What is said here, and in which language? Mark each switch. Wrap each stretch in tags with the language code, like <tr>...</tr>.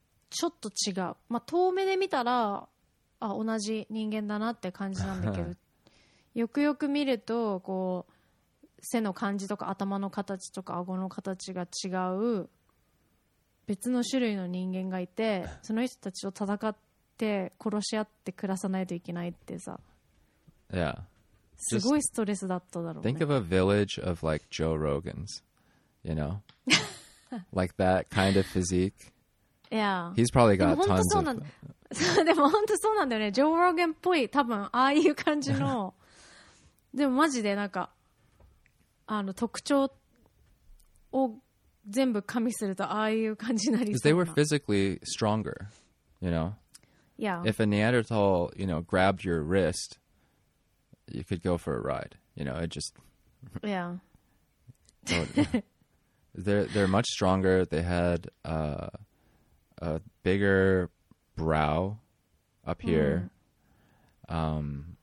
<ja>ちょっと違う、まあ、遠目で見たら、あ、同じ人間だなって感じなんだけどよくよく見るとこう背の感じとか頭の形とか顎の形が違う別の種類の人間がいて、その人たちと戦って殺し合って暮らさないといけないってさ、</ja> <en>yeah.</en> <ja>すごいストレスだっただろうね。</ja> <en>Think of a village of like Joe Rogan's, you know, like that kind of physique. Yeah, he's probably got tons of.</en> <ja>本当そうなんでも本当そうなんだよね。Joe Rogan っぽい多分ああいう感じの。でもマジでなんかあの特徴を全部加味するとああいう感じになりそうな。</ja> <en>They were physically stronger, you know. Yeah. If a Neanderthal, you know, grabbed your wrist, you could go for a ride. You know, it just. Yeah. they're much stronger. They had a bigger brow up here. Mm.</en>